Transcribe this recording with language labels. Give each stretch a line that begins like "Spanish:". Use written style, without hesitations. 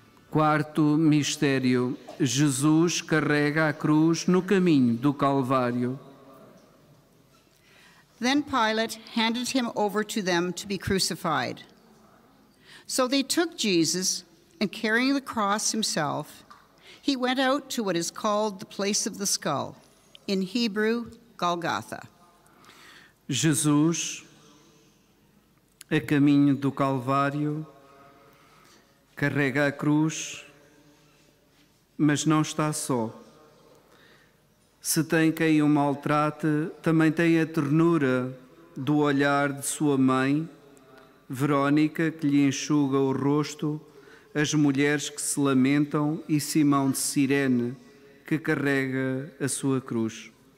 Portuguese: Quarto mistério: Jesus carrega a cruz no caminho do Calvário.
English: Then Pilate handed him over to them to be crucified. So they took Jesus, and carrying the cross himself, he went out to what is called the place of the skull, in Hebrew, Golgotha.
Portuguese: Jesus, a caminho do Calvário, carrega a cruz, mas não está só. Se tem quem o maltrate, também tem a ternura do olhar de sua mãe, Verónica, que lhe enxuga o rosto, as mulheres que se lamentam e Simão de Cirene, que carrega a sua cruz.